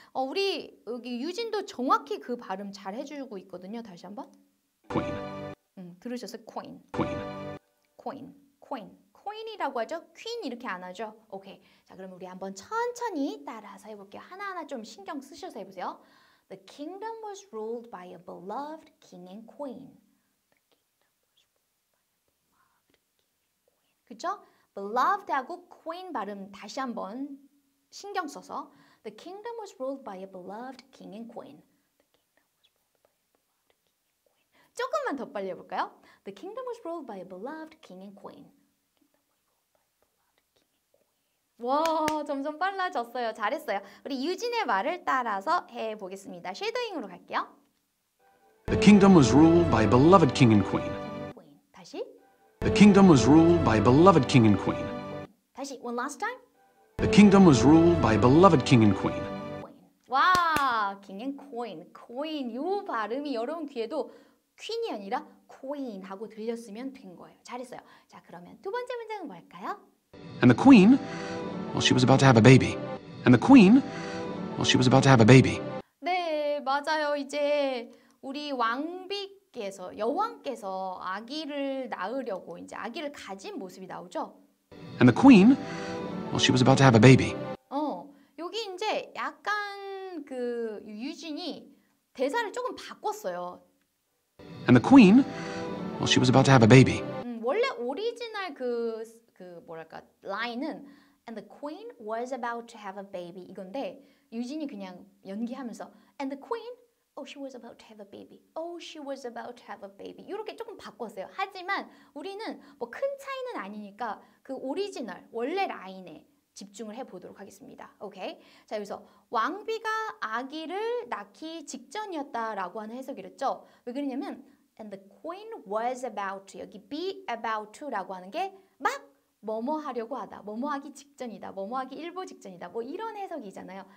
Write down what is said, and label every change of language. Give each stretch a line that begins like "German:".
Korean: 우리 여기 유진도 정확히 그 발음 잘 해주고 있거든요. 다시 한번.
English: Queen.
Korean: 들으셨어요? Queen.
English: Queen.
Korean: Queen. Queen. 코인이라고 하죠? 퀸 이렇게 안 하죠? 오케이. 자, 그럼 우리 한번 천천히 따라서 해볼게요. 하나하나 좀 신경 쓰셔서 해보세요.
English: The kingdom was ruled by a beloved king and queen. The kingdom was ruled by a beloved king and queen.
Korean: 그쵸?
English: Beloved하고 queen
Korean: 발음 다시 한번 신경 써서
English: The kingdom was ruled by a beloved king and queen. The kingdom was ruled by a beloved king and queen.
Korean: 조금만 더 빨리 해볼까요?
English: The kingdom was ruled by a beloved king and queen. King and queen.
Korean: 와, 점점 빨라졌어요. 잘했어요. 우리 유진의 말을 따라서 해보겠습니다. 쉐도잉으로 갈게요.
English: The kingdom was ruled by a beloved king and queen.
Korean: queen. 다시.
English: The kingdom was ruled by a beloved king and queen.
Korean: 다시,
English: one last time. The kingdom was ruled by a beloved king and queen.
Korean: 와, king and queen. queen, 이 발음이 여러분 귀에도 queen이 아니라 queen 하고 들렸으면 된 거예요. 잘했어요. 자, 그러면 두 번째 문장은 뭘까요?
English: And the queen, well, she was about to have a baby. And the queen, well, she was about to have a baby.
Korean: 네, 맞아요. 이제 우리 왕비께서, 여왕께서 아기를 낳으려고 이제 아기를 가진 모습이 나오죠?
English: And the queen, well, she was about to have a baby.
Korean: 어, 여기 이제 약간 그 유진이 대사를 조금 바꿨어요.
English: And the queen, well, she was about to have a baby.
Korean: 원래 오리지널 그 뭐랄까 라인은
English: And the queen was about to have a baby
Korean: 이건데 유진이 그냥 연기하면서
English: And the queen, oh, she was about to have a baby. Oh, she was about to have a baby.
Korean: 이렇게 조금 바꿨어요. 하지만 우리는 뭐 큰 차이는 아니니까 그 오리지널, 원래 라인에 집중을 해보도록 하겠습니다. 오케이? 자, 여기서 왕비가 아기를 낳기 직전이었다라고 하는 해석이랬죠? 왜 그러냐면
English: And the queen was about to,
Korean: 여기
English: be about to
Korean: 라고 하는 게 막 뭐뭐 하려고 하다, 뭐뭐 하기 직전이다, 뭐뭐 하기 일보 직전이다, 뭐 이런 해석이잖아요.